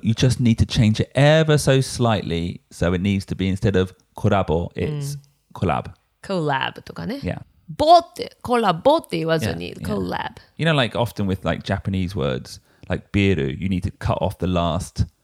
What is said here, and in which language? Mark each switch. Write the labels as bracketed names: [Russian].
[English] You just need to change it ever so slightly. So it needs to be instead of collab, it's collab. [Japanese] Collab とかね。 [English] Yeah. [Japanese] コラボって言わずにコラボ。 [English] You know, like often with like Japanese words, like biru, you need to cut off the last